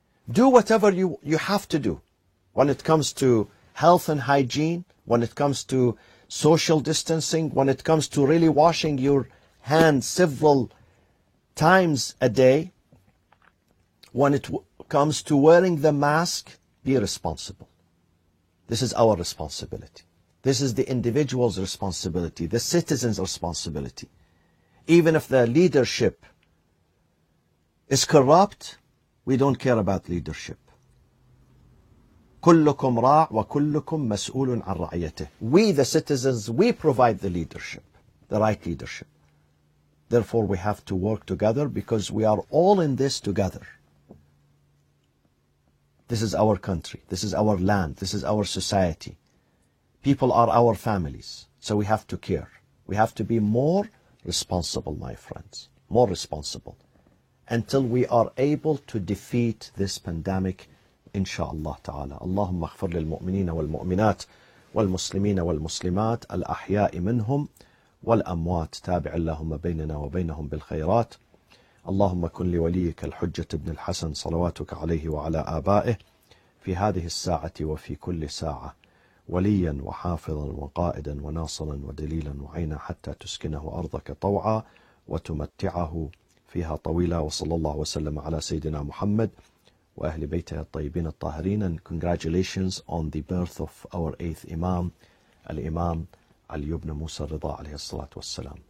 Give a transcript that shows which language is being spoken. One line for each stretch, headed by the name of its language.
English: Do whatever you have to do. When it comes to health and hygiene, when it comes to social distancing, when it comes to really washing your hands several times a day, when it comes to wearing the mask, be responsible. This is our responsibility. This is the individual's responsibility, the citizen's responsibility. Even if the leadership is corrupt, we don't care about leadership.
Arabic: كلكم راع وكلكم مسؤول عن رعيته.
English: We, the citizens, we provide the leadership, the right leadership. Therefore, we have to work together because we are all in this together. This is our country. This is our land. This is our society. People are our families. So we have to care. We have to be more responsible, my friends, more responsible, until we are able to defeat this pandemic.
Arabic: إن شاء الله تعالى اللهم اغفر للمؤمنين والمؤمنات والمسلمين والمسلمات الأحياء منهم والأموات تابع اللهم بيننا وبينهم بالخيرات اللهم كن لوليك الحجة ابن الحسن صلواتك عليه وعلى آبائه في هذه الساعة وفي كل ساعة وليا وحافظا وقائدا وناصرا ودليلا وعينا حتى تسكنه أرضك طوعا وتمتعه فيها طويلا وصلى الله وسلم على سيدنا محمد وأهل بيته الطيبين الطاهرين
English: and congratulations on the birth of our eighth Imam,
Arabic: الإمام علي بن موسى الرضا عليه الصلاة والسلام.